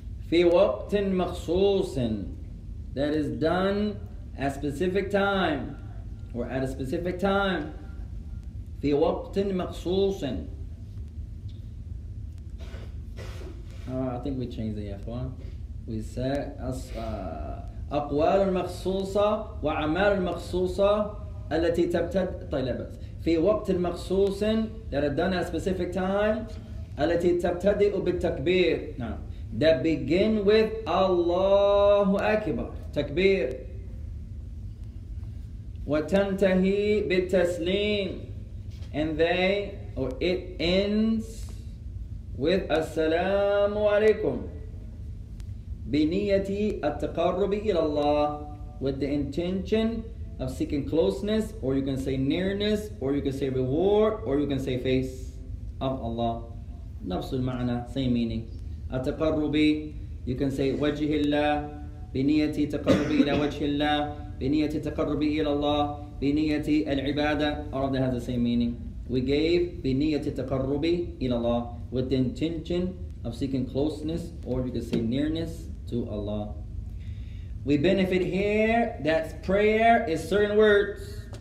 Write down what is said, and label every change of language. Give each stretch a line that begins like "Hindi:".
Arabic: في وقت مخصوص.
English: That is done at specific time, or at a specific time.
Arabic: في وقت مخصوص.
English: I think we changed the Yahwan. We said
Arabic: أقوال مخصوصة وأعمال مخصوصة التي تبتد طلبت في وقت مخصوص
English: that are done at a specific time
Arabic: التي تبتدئ بالتكبير.
English: Now, that begin with
Arabic: الله أكبر تكبير. وتنتهي بالتسليم,
English: and they, or it ends with
Arabic: السلام عليكم بنية التقرب إلى الله,
English: with the intention of seeking closeness, or you can say nearness, or you can say reward, or you can say face of Allah.
Arabic: نفس المعنى,
English: same meaning.
Arabic: التقرب,
English: you can say
Arabic: وجه الله بنية التقرب إلى وجه الله بنية التقرب إلى الله بنية العبادة.
English: All of that has the same meaning. We gave
Arabic: بنية التقرب إلى الله
English: with the intention of seeking closeness, or you could say nearness to Allah. We benefit here that prayer is certain words.